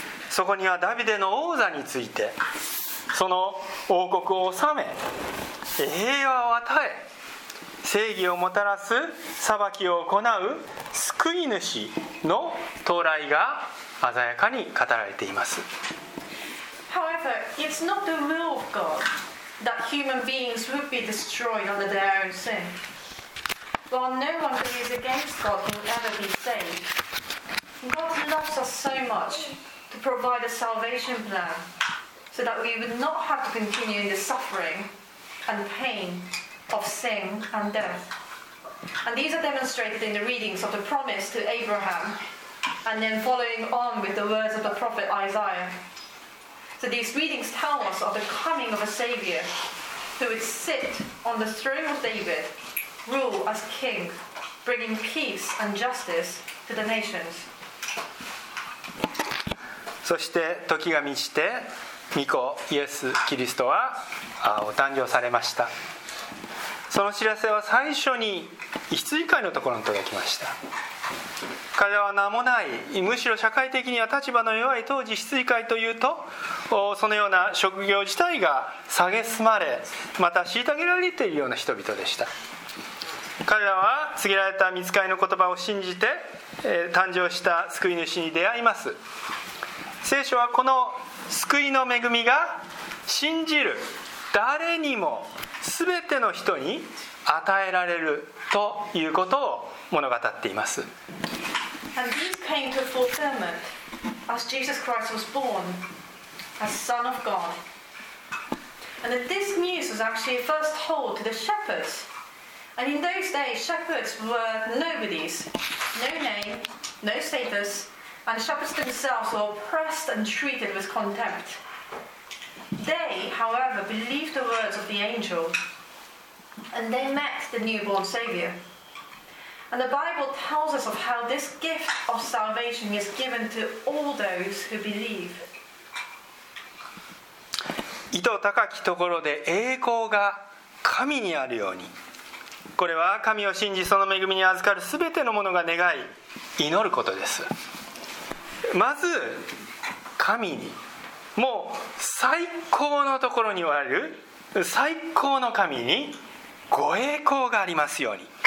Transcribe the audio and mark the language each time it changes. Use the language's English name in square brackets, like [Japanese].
[Japanese] そこにはダビデの王座について、その王国を治め平和を与え正義をもたらす裁きを行う救救い主の到来が鮮やかに語られています。 [English] However, it's not the will of God that human beings would be destroyed under their own sin. While no one who is against God will ever be saved, God loves us so much to provide a salvation plan so that we would not have to continue in the suffering and pain of sin and death. And these are demonstrated in the readings of the promise to Abraham and then following on with the words of the prophet Isaiah. So these readings tell us of the coming of a Savior who would sit on the throne of David, rule as king, bringing peace and justice to the nations. [Japanese] そして時が満ちて御子イエス・キリストはお誕生されました。その知らせは最初に羊飼いのところに届きました。彼は名もない、むしろ社会的には立場の弱い当時、羊飼いというとそのような職業自体が蔑まれ、また虐げられているような人々でした。彼らは告げられた御使いの言葉を信じて誕生した救い主に出会います。聖書はこの救いの恵みが信じる誰にも全ての人に与えられるということを物語っています。 [English] And these came to fulfillment as Jesus Christ was born as Son of God. And this news was actually first told to the shepherds. And in those days shepherds were nobodies, no name, no status, and shepherds themselves were oppressed and treated with contempt. They, however, believed the words of the angel, and they met the newborn Savior. And the Bible tells us of how this gift of salvation is given to all those who believe. [Japanese] 糸高きところで栄光が神にあるように、これは神を信じその恵みに預かる全てのものが願い祈ることです。まず神に、もう最高のところにおられる最高の神にご栄光がありますように。